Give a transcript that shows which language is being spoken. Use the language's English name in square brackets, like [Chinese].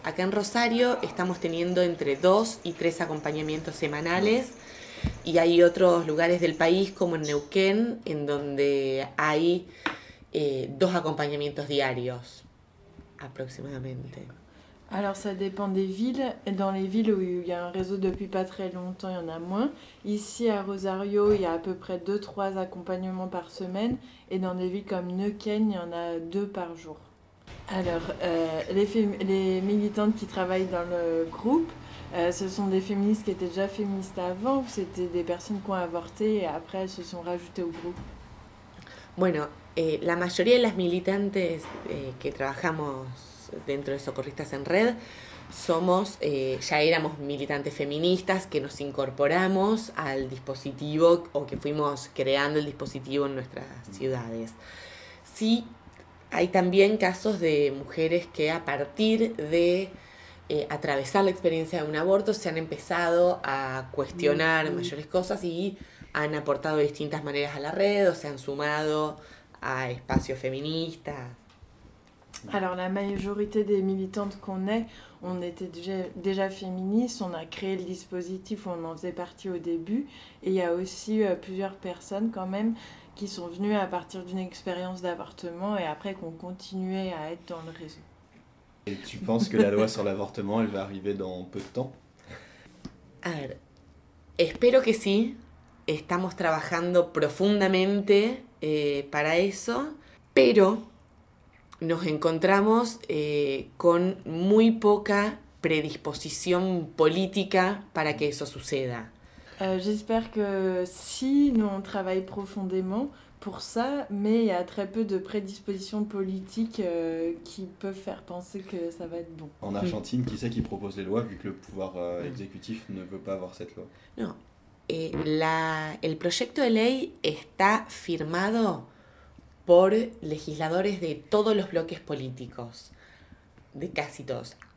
[Spanish] Acá en Rosario estamos teniendo entre 2 y 3 acompañamientos semanales, y hay otros lugares del país, como en Neuquén, en donde hay 2 acompañamientos diarios aproximadamente. [French] Alors, ça dépend des villes. Dans les villes où il y a un réseau depuis pas très longtemps, il y en a moins. Ici, à Rosario, il y a à peu près 2-3 accompagnements par semaine. Et dans des villes comme Neuquén, il y en a 2 par jour. Alors, les militantes qui travaillent dans le groupe, ce sont des féministes qui étaient déjà féministes avant ou c'était des personnes qui ont avorté et après elles se sont rajoutées au groupe? [Spanish] Bueno, la mayoría de las militantes que trabajamos dentro de Socorristas en Red somos, ya éramos militantes feministas que nos incorporamos al dispositivo o que fuimos creando el dispositivo en nuestras ciudades. Sí, hay también casos de mujeres que a partir de atravesar la experiencia de un aborto se han empezado a cuestionar mayores cosas y han aportado distintas maneras a la red o se han sumado a espacios feministas. [French] Alors la majorité des militantes qu'on est, on était déjà féministes, on a créé le dispositif, on en faisait partie au début, et il y a aussi plusieurs personnes quand même qui sont venues à partir d'une expérience d'avortement et après qu'on continuait à être dans le réseau. Et tu penses que la loi sur l'avortement, elle va arriver dans peu de temps? [Spanish] Alors, espero que sí. Estamos trabajando profundamente para eso, pero nos encontramos con muy poca predisposición política para que eso suceda. [French] J'espère que si, nous on travaille profondément pour ça, mais il y a très peu de prédispositions politiques qui peuvent faire penser que ça va être bon. En Argentine, qui c'est qui propose les lois, vu que le pouvoir exécutif ne veut pas avoir cette loi? Non. [Spanish] El proyecto de ley está firmado por legisladores de todos los bloques políticos, de casi todos.